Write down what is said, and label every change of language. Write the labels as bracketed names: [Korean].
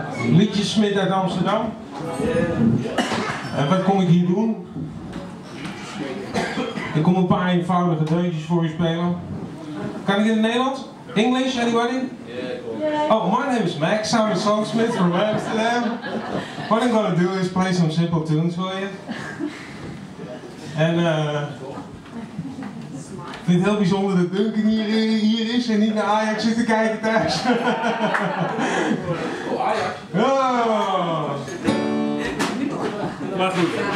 [Dutch] Liedjesmid uit Amsterdam. En wat kom ik hier doen? Ik kom een paar eenvoudige deuntjes voor je spelen. Kan ik in het Nederlands? [English] English, anybody? Oh, my name is Max. I'm a songsmith from Amsterdam. What I'm gonna do is play some simple tunes for you. [Dutch] Ik vind het heel bijzonder dat Duncan hier is en niet naar Ajax zit te kijken thuis. Oh, Ajax. Ja. Maar goed.